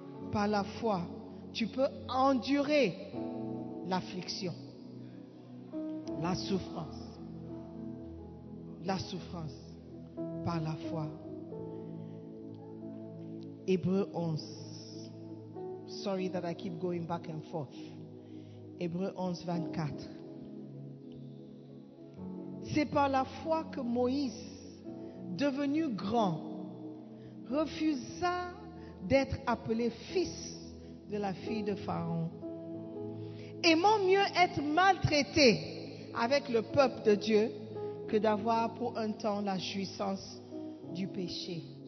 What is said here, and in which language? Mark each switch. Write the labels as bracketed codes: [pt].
[fr] Par la foi, tu peux endurer l'affliction, la souffrance. La souffrance, par la foi. Hébreux 11. [en] Sorry that I keep going back and forth. [fr] Hébreux 11, 24. C'est par la foi que Moïse, devenu grand, refusa d'être appelé fils de la fille de Pharaon, aimant mieux être maltraité avec le peuple de Dieu que d'avoir pour un temps la jouissance du péché.